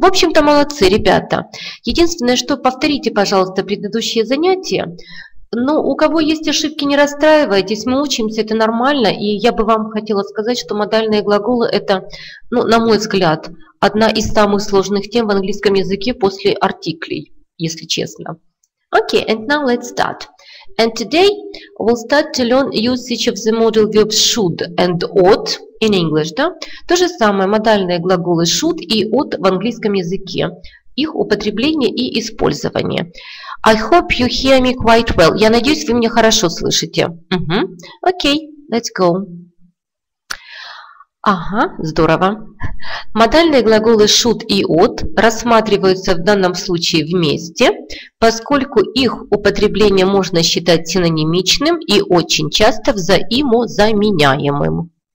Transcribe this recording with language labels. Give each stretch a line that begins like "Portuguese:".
Russian: В общем-то, молодцы, ребята. Единственное, что повторите, пожалуйста, предыдущее занятие. Но у кого есть ошибки, не расстраивайтесь, мы учимся, это нормально. И я бы вам хотела сказать, что модальные глаголы – это, ну, на мой взгляд, одна из самых сложных тем в английском языке после артиклей, если честно.
English: Okay, and now let's start. And today we'll start to learn usage of the modal verbs should and ought in English, да?
Russian: То же самое, модальные глаголы should и ought в английском языке. Их употребление и использование.
English: I hope you hear me quite well.
Russian: Я надеюсь, вы меня хорошо слышите.
English: Okay, let's go.
Russian: Ага, здорово. Модальные глаголы should и ought рассматриваются в данном случае вместе, поскольку их употребление можно считать синонимичным и очень часто взаимозаменяемым.